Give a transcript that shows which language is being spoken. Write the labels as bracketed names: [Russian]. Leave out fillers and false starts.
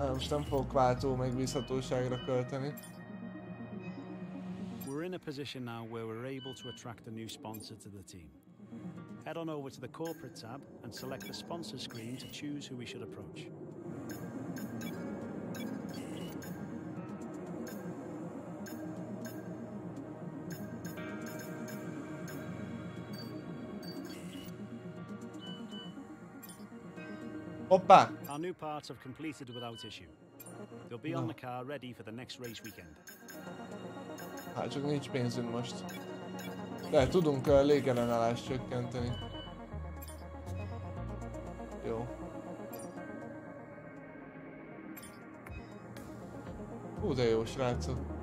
[Hungarian] Nem fogok váltó megbízhatóságra költeni. [English] We're in a position now where we're able to attract a new sponsor to the team. Head on over to the corporate tab and select the sponsor screen to choose who we should approach. [Hungarian] Hoppá! [English] Our new parts have completed without issue. They'll be on the car ready for the next race weekend. [Hungarian] Hát csak nincs pénzünk most. De tudunk a légellenállást csökkenteni. Jó. Hú, de jó, srácok.